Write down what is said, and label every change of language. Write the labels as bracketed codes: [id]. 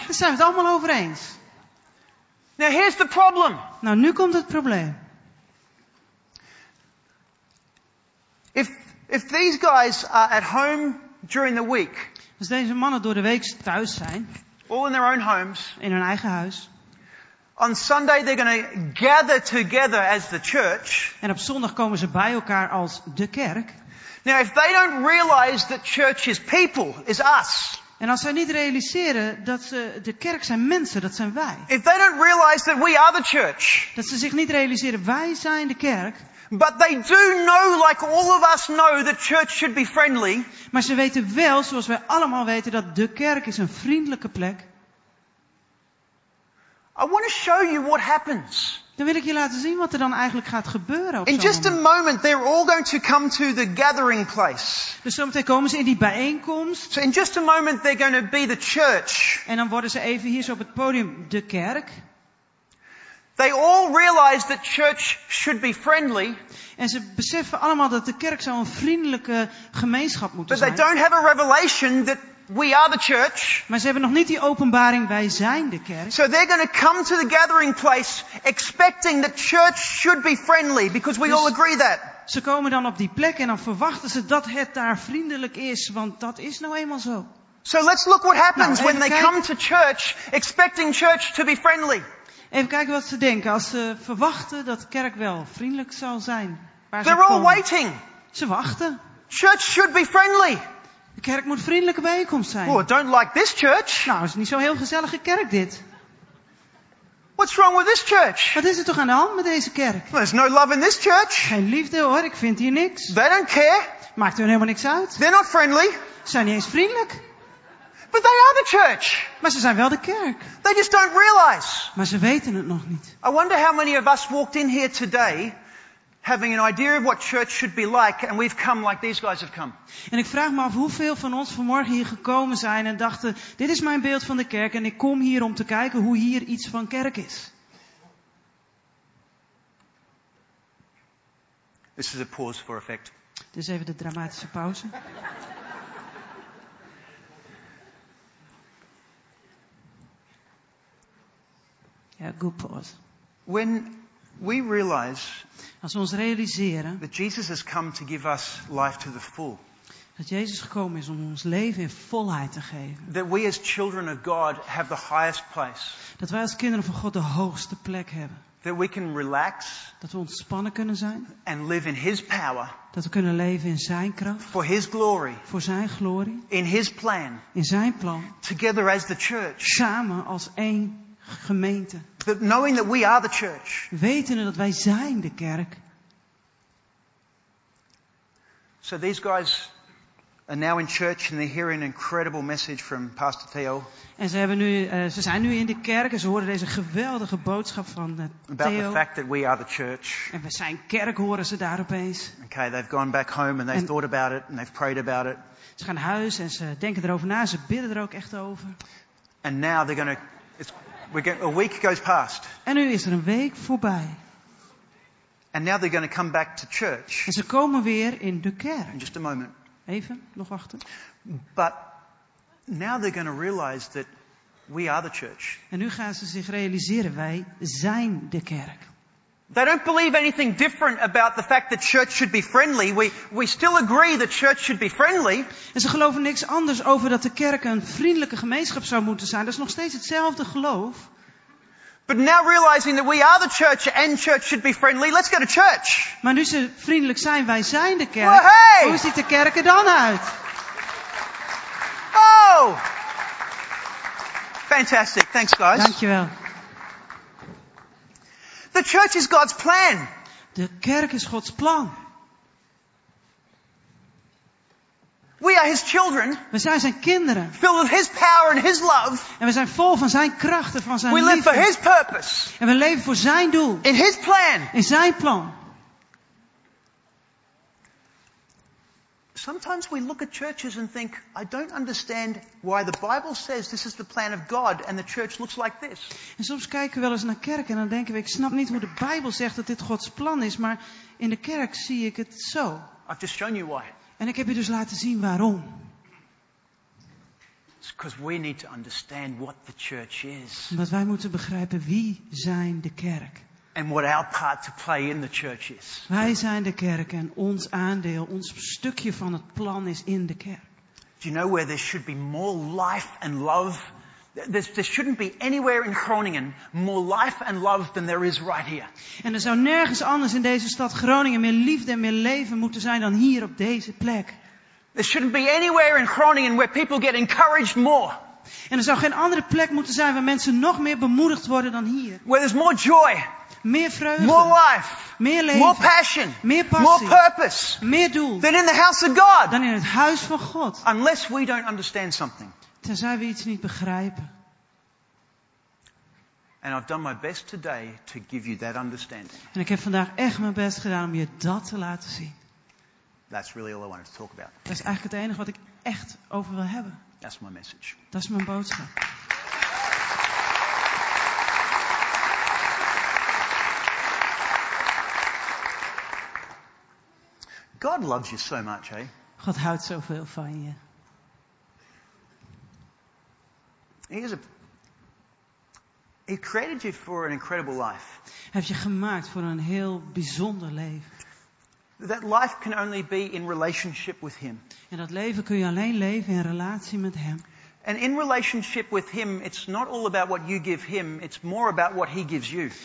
[nl] Dan zijn we het allemaal over eens. [en] Now here's the problem. [nl] Nou, nu komt het probleem. [en] If these guys are at home during the week, [nl] als deze mannen door de week thuis zijn, [en] all in their own homes, [nl] in hun eigen huis, [en] on Sunday they're going to gather together as the church, [nl] en op zondag komen ze bij elkaar als de kerk. [en] Now if they don't realize that church is people, is us. [nl] En als zij niet realiseren dat ze de kerk zijn mensen, dat zijn wij. [en] If they don't realize that we are the church. [nl] Dat ze zich niet realiseren wij zijn de kerk. [en] But they do know, like all of us know, that church should be friendly. [nl] Maar ze weten wel, zoals wij allemaal weten, dat de kerk is een vriendelijke plek. [en] I want to show you what happens. [nl] Dan wil ik je laten zien wat er dan eigenlijk gaat gebeuren. [en] In just a moment, they're all going to come to the gathering place. [nl] Dus zometeen komen ze in die bijeenkomst. [en] So in just a moment, they're going to be the church. [nl] En dan worden ze even hier zo op het podium de kerk. [en] They all realize that church should be friendly. [nl] En ze beseffen allemaal dat de kerk zo'n vriendelijke gemeenschap moet zijn. [en] But they don't have a revelation that we are the church. [nl] Maar ze hebben nog niet die openbaring, wij zijn de kerk. [en] So they're going to come to the gathering place expecting that church should be friendly, because we all agree that. [nl] Ze komen dan op die plek en dan verwachten ze dat het daar vriendelijk is, want dat is nou eenmaal zo. [en] So let's look what happens when they come to church expecting church to be friendly. [nl] Even kijken wat ze denken als ze verwachten dat de kerk wel vriendelijk zal zijn. [en] They're all waiting. [nl] Ze wachten. [en] Church should be friendly. [nl] De kerk moet vriendelijke bijeenkomst zijn. [en] Oh, I don't like this church. [nl] Nou, is niet zo'n heel gezellige kerk dit. [en] What's wrong with this church? [nl] Wat is er toch aan de hand met deze kerk? [en] Well, there's no love in this church. [nl] Geen liefde hoor, ik vind hier niks. [en] They don't care. [nl] Maakt er helemaal niks uit. [en] They're not friendly. [nl] Ze zijn niet eens vriendelijk. [en] But they are the church. [nl] Maar ze zijn wel de kerk. [en] They just don't realize. [nl] Maar ze weten het nog niet. [en] I wonder how many of us walked in here today having an idea of what church should be like and we've come like these guys have come. [nl] En ik vraag me af hoeveel van ons vanmorgen hier gekomen zijn en dachten dit is mijn beeld van de kerk en ik kom hier om te kijken hoe hier iets van kerk is. [en] This is a pause for effect. [nl] Dit is even de dramatische pauze. [en] Ja, good pause. When we realize, [nl] als we ons realiseren, [en] that Jesus has come to give us life to the full. [nl] Dat Jezus gekomen is om ons leven in volheid te geven. [en] That we as children of God have the highest place. [nl] Dat wij als kinderen van God de hoogste plek hebben. [en] That we can relax. [nl] Dat we ontspannen kunnen zijn. [en] And live in His power. [nl] Dat we kunnen leven in Zijn kracht. [en] For His glory. [nl] Voor Zijn glorie. [en] In His plan. [nl] In Zijn plan. [en] Together as the church. [nl] Samen als één. Gemeente. [en] But knowing that we are the church. [nl] Wetende dat wij zijn de kerk. [en] So these guys are now in church and they're hearing an incredible message from Pastor Theo. [nl] En ze zijn nu in de kerk en ze horen deze geweldige boodschap van Theo. [en] About the fact that we are the church. [nl] En we zijn kerk, horen ze daar opeens. [en] Okay, they've gone back home and they've thought about it and they've prayed about it. [nl] Ze gaan naar huis en ze denken erover na, ze bidden er ook echt over. [en] And now they're going to a week goes past. [nl] En nu is er een week voorbij. [en] And now they're going to come back to church. [nl] En ze komen weer in de kerk. [en] Just a moment. [nl] Even, nog wachten. [en] But now they're going to realize that we are the church. [nl] En nu gaan ze zich realiseren, wij zijn de kerk. [en] They don't believe anything different about the fact that church should be friendly. We still agree that church should be friendly. [nl] En ze geloven niks anders over dat de kerk een vriendelijke gemeenschap zou moeten zijn. Dat is nog steeds hetzelfde geloof. [en] But now realizing that we are the church and church should be friendly, let's go to church. [nl] Maar nu ze vriendelijk zijn, wij zijn de kerk. [en] Well, hey! [nl] Hoe ziet de kerk er dan uit? [en] Oh! Fantastic. Thanks, guys. [nl] Dankjewel. [en] The church is God's plan. [nl] De kerk is Gods plan. [en] We are His children. [nl] We zijn zijn kinderen. [en] Filled with His power and His love. [nl] En we zijn vol van zijn krachten, van zijn liefde. [en] We live for His purpose. [nl] En we leven voor zijn doel. [en] In His plan. [nl] In zijn plan. [en] Sometimes we look at churches and think, I don't understand why the Bible says this is the plan of God and the church looks like this. [nl] En soms kijken we wel eens naar kerken en dan denken we, ik snap niet hoe de Bijbel zegt dat dit Gods plan is, maar in de kerk zie ik het zo. [en] I've just shown you why. [nl] En ik heb je dus laten zien waarom. [en] It's Because we need to understand what the church is. [nl] Omdat wij moeten begrijpen wie zijn de kerk. [en] And what our part to play in the church is. [nl] Wij zijn de kerk en ons aandeel, ons stukje van het plan is in de kerk. [en] Do you know where there should be more life and love? There shouldn't be anywhere in Groningen more life and love than there is right here. [nl] En er zou nergens anders in deze stad Groningen meer liefde en meer leven moeten zijn dan hier op deze plek. [en] There shouldn't be anywhere in Groningen where people get encouraged more. [nl] En er zou geen andere plek moeten zijn waar mensen nog meer bemoedigd worden dan hier. [en] Where there's more joy. [nl] Meer vreugde. [en] More life. [nl] Meer leven. [en] More passion. [nl] Meer passie. [en] More purpose. [nl] Meer doel. [en] Than in the house of God. [nl] Dan in het huis van God. [en] Unless we don't understand something. [nl] Tenzij we iets niet begrijpen. [en] And I've done my best today to give you that understanding. [nl] En ik heb vandaag echt mijn best gedaan om je dat te laten zien. [en] That's really all I wanted to talk about. [nl] Dat is eigenlijk het enige wat ik echt over wil hebben. [en] That's my message. [nl] Dat is mijn boodschap. [en] God loves you so much, hey? [nl] God houdt zoveel van je. [en] He created you for an incredible life. [nl] Heeft je gemaakt voor een heel bijzonder leven. [en] That life can only be in relationship with him. [nl] En dat leven kun je alleen leven in relatie met hem. [en] And in relationship with him, it's not all about what you give him, it's more about what he gives you.